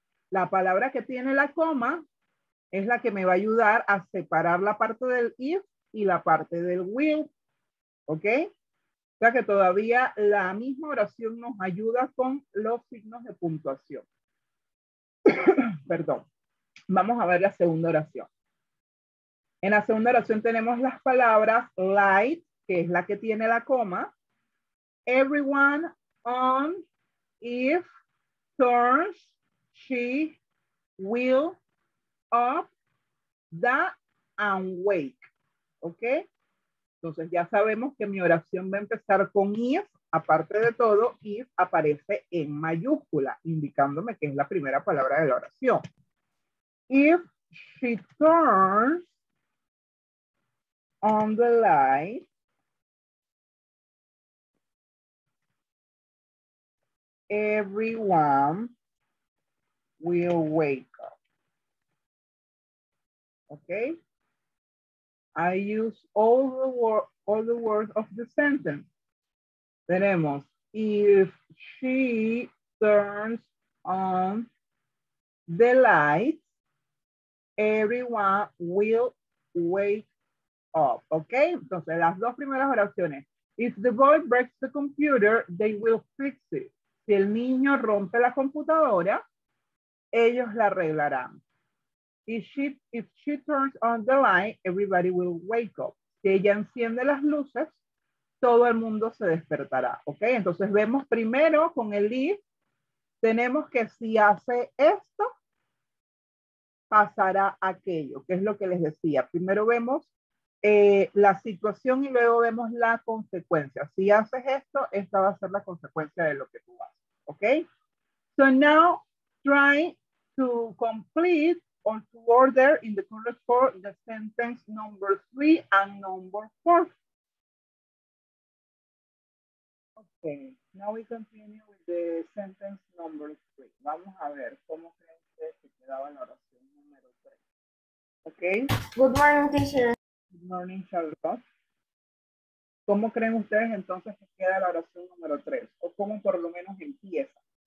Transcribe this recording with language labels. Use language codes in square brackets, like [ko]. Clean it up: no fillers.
[es] La palabra que tiene la coma es la que me va a ayudar a separar la parte del if y la parte del will, ok. O sea que todavía la misma oración nos ayuda con los signos de puntuación. Perdón. Vamos a ver la segunda oración. En la segunda oración tenemos las palabras light, que es la que tiene la coma. [en] Everyone on if turns she will up the and wake. ¿Ok? [es] Entonces ya sabemos que mi oración va a empezar con if. Aparte de todo, if aparece en mayúscula, indicándome que es la primera palabra de la oración. [en] If she turns on the light, everyone will wake up. Okay? I use all the words of the sentence. [es] Tenemos, [en] if she turns on the light, everyone will wake up. [es] ¿Ok? Entonces, las dos primeras oraciones. [en] If the boy breaks the computer, they will fix it. [es] Si el niño rompe la computadora, ellos la arreglarán. [en] If she turns on the light, everybody will wake up. [es] Si ella enciende las luces, todo el mundo se despertará. ¿Ok? Entonces vemos primero con el if, tenemos que si hace esto, pasará aquello, que es lo que les decía. Primero vemos la situación y luego vemos la consecuencia. Si haces esto, esta va a ser la consecuencia de lo que tú haces. ¿Ok? [en] So now try to complete or to order in the correct form the sentence number 3 and number 4. Okay, now we continue with the sentence number 3. [es] Vamos a ver cómo creen ustedes que quedaba la oración número 3. Okay. [en] Good morning, teacher. Good morning, Charlotte. [es] ¿Cómo creen ustedes entonces que queda la oración número 3? O cómo por lo menos empieza.